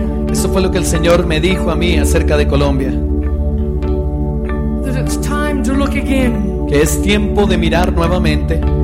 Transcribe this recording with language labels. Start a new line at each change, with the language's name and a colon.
Spanish: Esto fue lo que el Señor me dijo a mí acerca de Colombia.
English: That it's time to look again.
Spanish: Que es tiempo de mirar nuevamente